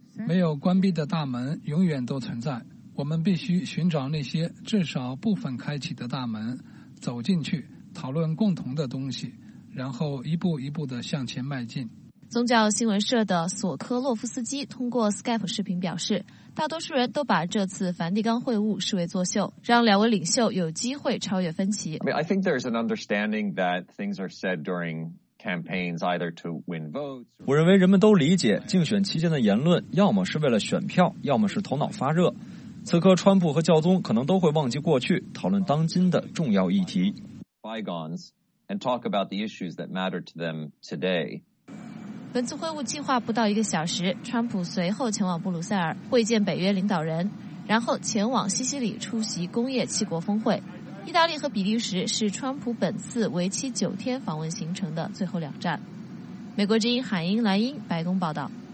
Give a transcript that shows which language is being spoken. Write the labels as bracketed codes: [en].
[zh] 没有关闭的大门永远都存在，我们必须寻找那些至少部分开启的大门，走进去讨论共同的东西，然后一步一步地向前迈进。宗教新闻社的索科洛夫斯基通过 Skype 视频表示，大多数人都把这次梵蒂冈会晤视为作秀，让两位领袖有机会超越分歧。 [en] I think there's an understanding that things are said during campaigns either to win votes. [zh] 我认为人们都理解，竞选期间的言论要么是为了选票，要么是头脑发热。此刻川普和教宗可能都会忘记过去，讨论当今的重要议题。 [en] And talk about the issues that matter to them today. [zh] 本次会晤计划不到一个小时，川普随后前往布鲁塞尔会见北约领导人，然后前往西西里出席工业七国峰会。意大利和比利时是川普本次为期九天访问行程的最后两站。美国之音海英莱茵白宫报道。